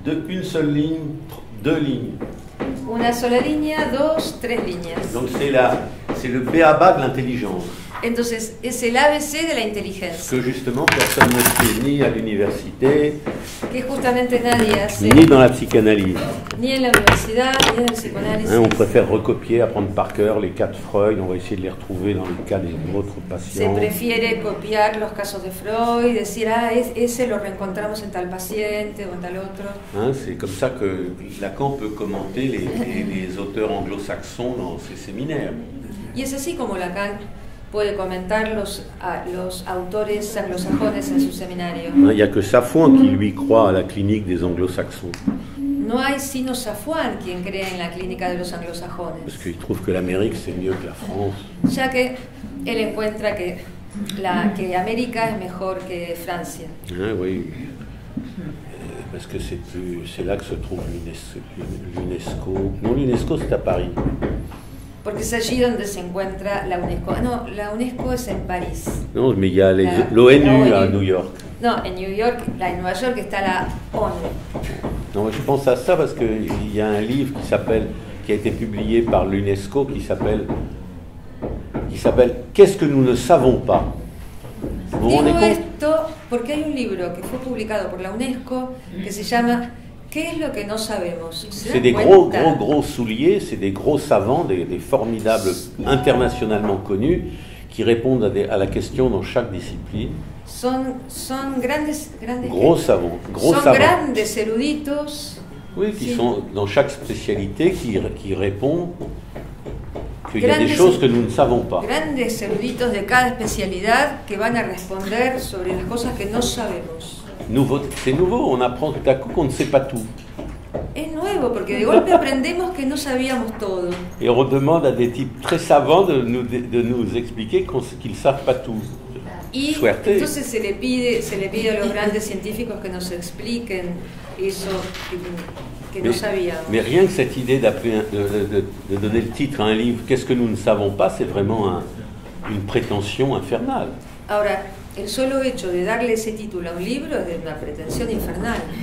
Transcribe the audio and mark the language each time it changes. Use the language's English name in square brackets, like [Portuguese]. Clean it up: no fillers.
[French] Une seule ligne, deux lignes. [Spanish] Una sola línea, dos, tres líneas. [French] Donc c'est le béaba de l'intelligence. [Spanish] Entonces, es el ABC de la inteligencia. [French] Que justement personne ne sait ni à l'université. [Spanish] Que justamente nadie hace. [French] Ni dans la psychanalyse. [Spanish] Ni en la universidad, ni en la psicoanálisis. [French] Hein, on préfère recopier, apprendre par cœur les cas de Freud, on va essayer de les retrouver dans les cas des autres patients. [Spanish] Se prefiere copiar los casos de Freud, decir, ese lo reencontramos en tal paciente o en tal otro. [French] Hein, c'est comme ça que Lacan peut commenter les auteurs anglo-saxons dans ses séminaires. [Spanish] Y es así como Lacan puede comentar los autores anglosajones en su seminario. [French] Il n'y a que Safouin qui lui croit à la clinique des anglo-saxons. [Spanish] No hay sino Safouin quien cree en la clínica de los anglosajones. [French] Parce qu'il trouve que l'Amérique c'est mieux que la France. [Spanish] Ya que él encuentra que América es mejor que Francia. [French] Ah oui. Parce que c'est là que se trouve l'UNESCO. Non, l'UNESCO c'est à Paris. [Spanish] Porque es allí donde se encuentra la UNESCO. Ah, no, la UNESCO es en París. No, pero hay la ONU a New York. No, en New York, en Nueva York está la ONU. No, yo pienso a eso porque hay un libro que ha sido publicado por la UNESCO que se llama [French] Qu'est-ce que nous ne savons pas? [Spanish] Digo esto porque hay un libro que fue publicado por la UNESCO que se llama [French] C'est des gros, gros, gros souliers, c'est des gros savants, des formidables internationalement connus, qui répondent à la question dans chaque discipline. [Spanish] Grandes eruditos. [French] Oui, qui sont dans chaque spécialité, qui répondent qu'il y a des choses que nous ne savons pas. [Spanish] Grandes eruditos de cada especialidad que van a responder sobre las cosas que no sabemos. [French] Nouveau, c'est nouveau, on apprend tout à coup qu'on ne sait pas tout. [Spanish] Es nuevo porque de golpe aprendemos que no sabíamos todo. [French] Et on demande à des types très savants de nous expliquer qu'ils savent pas tout. [Spanish] Y suerte. Entonces se le pide a los grandes científicos que nos expliquen eso que no sabíamos. [French] Mais rien que cette idée de donner le titre à un livre, qu'est-ce que nous ne savons pas, c'est vraiment une prétention infernale. [Spanish] Ahora, el solo hecho de darle ese título a un libro es de una pretensión infernal.